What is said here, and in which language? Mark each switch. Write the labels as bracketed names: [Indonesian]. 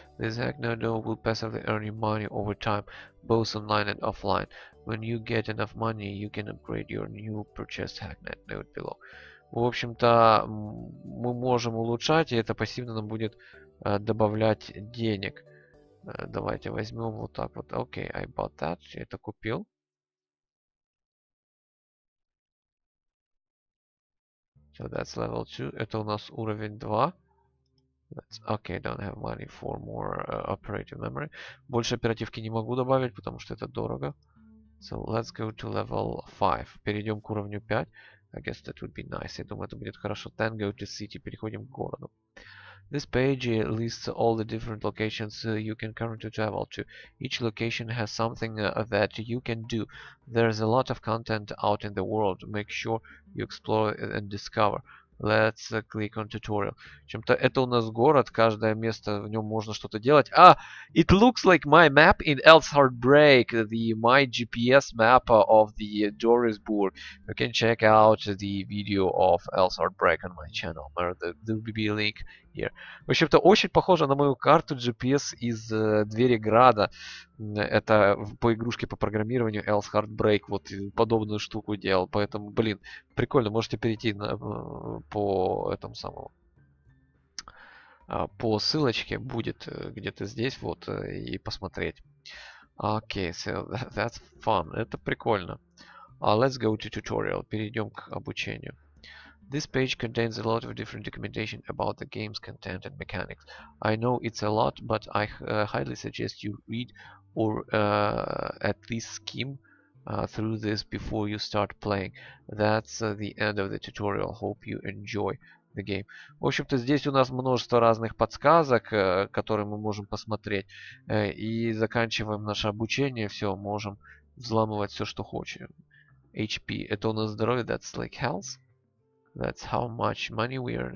[English] This Hacknet node will passively earn you money over time, both online and offline. When you get enough money, you can upgrade your new purchased Hacknet node below. [Russian] в общем-то, мы можем улучшать, и это пассивно нам будет добавлять денег. Давайте возьмем вот так вот. [English] Окей, okay, I bought that. [Russian] Я это купил. [English] So that's level 2. [Russian] Это у нас уровень 2. [English] That's okay, don't have money for more operative memory. [Russian] Больше оперативки не могу добавить, потому что это дорого. [English] So let's go to level 5. [Russian] Перейдем к уровню 5. [English] I guess that would be nice. [Russian] Я думаю, это будет хорошо. [English] Then go to city. [Russian] Переходим к городу. [English] This page lists all the different locations you can currently travel to. Each location has something that you can do. There's a lot of content out in the world. Make sure you explore and discover. Let's click on tutorial. [Russian] Чем-то это у нас город, каждое место в нем можно что-то делать. [English] А, it looks like my map in Else Heartbreak, the my GPS map of the Dorisburg. You can check out the video of Else Heartbreak on my channel. There will be a link here. [Russian] В общем-то очень похоже на мою карту GPS из двери града. Это по игрушке по программированию Else Heartbreak вот подобную штуку делал. Поэтому, блин, прикольно. Можете перейти на по этому самому. По ссылочке будет где-то здесь вот и посмотреть. [English] Окей, okay, so that's fun. [Russian] Это прикольно. [English] Let's go to tutorial. [Russian] Перейдем к обучению. [English] This page contains a lot of different documentation about the game's content and mechanics. I know it's a lot, but I highly suggest you read or at least skim through this before you start playing. That's the end of the tutorial. Hope you enjoy the game. [Russian] В общем-то, здесь у нас множество разных подсказок, которые мы можем посмотреть. И заканчиваем наше обучение. Все, можем взламывать все, что хочем. [English] HP. [Russian] Это у нас здоровье. [English] That's like health. That's how much money we earn.